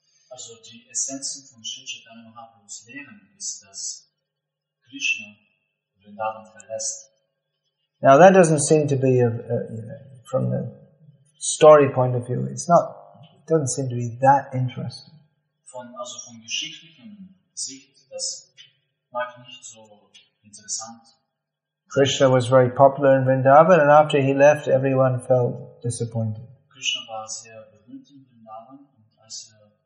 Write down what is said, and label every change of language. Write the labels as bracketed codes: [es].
[de] Also die Essenz von Sri Chaitanya Mahaprabhus Lehren ist, dass Krishna Vrindavan verlässt. [en] Now that doesn't seem to be from the story point of view, it doesn't seem to be that interesting. [de] Von geschichtlichen Sicht, das mag nicht so interessant. [en] Krishna was very popular in Vrindavan, and after he left, everyone felt disappointed. [de] Krishna war sehr berühmt in Vrindavan, und als er